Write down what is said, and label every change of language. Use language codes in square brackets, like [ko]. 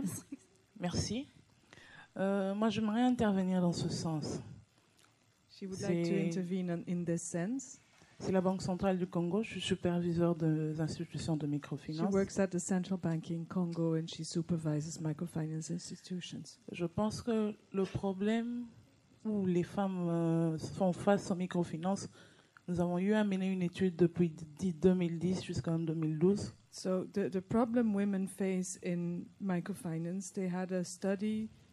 [fr] Okay. Merci. Moi, j'aimerais intervenir dans ce sens. [en] she would like to intervene in this sense. [fr] C'est la Banque centrale du Congo. Je suis superviseur des institutions de microfinance. [en] She works at the Central Bank in Congo and she supervises microfinance institutions. [fr] Je pense que le problème où les femmes font face aux microfinance, nous avons eu à mener une étude depuis 2010 jusqu'en 2012. [en] So the problem women face in microfinance, they had a study,